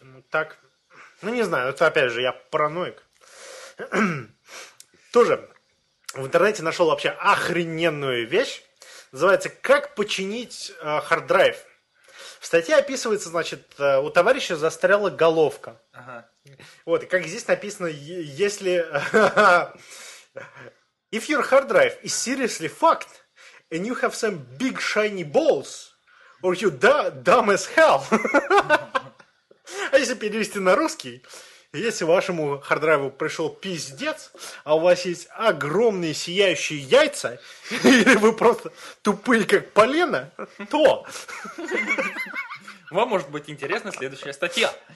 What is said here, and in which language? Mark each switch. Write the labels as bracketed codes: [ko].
[ru] Ну, так, ну не знаю, это опять же, я параноик. Тоже... В интернете нашел вообще охрененную вещь. Называется «Как починить харддрайв». В статье описывается, значит, у товарища застряла головка. Ага. Вот, как здесь написано, если... [en] If your hard drive is seriously fucked and you have some big shiny balls, or you dumb as hell. [ru] А если перевести на русский... Если вашему харддрайву пришел пиздец, а у вас есть огромные сияющие яйца, или вы просто тупые, как полено, то... Вам может быть интересна следующая статья.